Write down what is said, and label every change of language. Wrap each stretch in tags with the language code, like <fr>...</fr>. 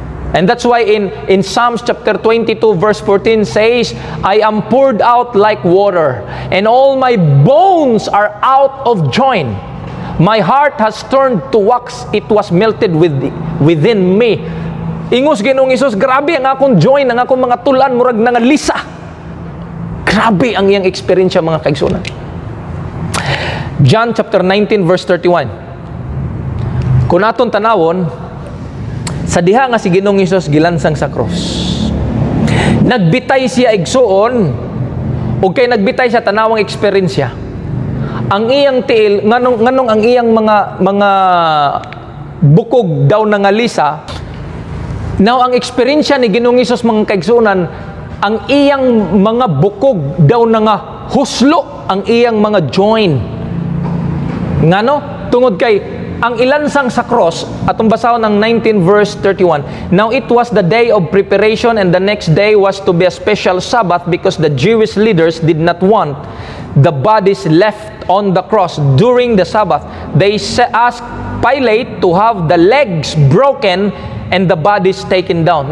<en>And that's why in Psalms chapter 22 verse 14 says, I am poured out like water and all my bones are out of joint. My heart has turned to wax, it was melted within me.</en> <ceb>Ingos Ginoong Hesus, grabe ang akong joint, ang akong mga tulan murag nangalisa. Grabe ang iyang experience mga kaigsoonan. John chapter 19 verse 31. Kung aton tanawon, sa diha nga si Ginoong Hesus gilansang sa cross. Nagbitay siya igsoon, ug kay nagbitay siya tanawang eksperyensya. Ang iyang tiil, nganong ang iyang mga bukog daw nangalisa. Now ang eksperyensya ni Ginoong Hesus mga kaigsoonan, ang iyang mga bukog daw nga huslo ang iyang mga joint. Ngano? Tungod kay ang ilansang sa cross, atong basahon ng 19 verse 31.</ceb> <en>Now it was the day of preparation and the next day was to be a special Sabbath because the Jewish leaders did not want the bodies left on the cross during the Sabbath. They asked Pilate to have the legs broken and the bodies taken down.</en>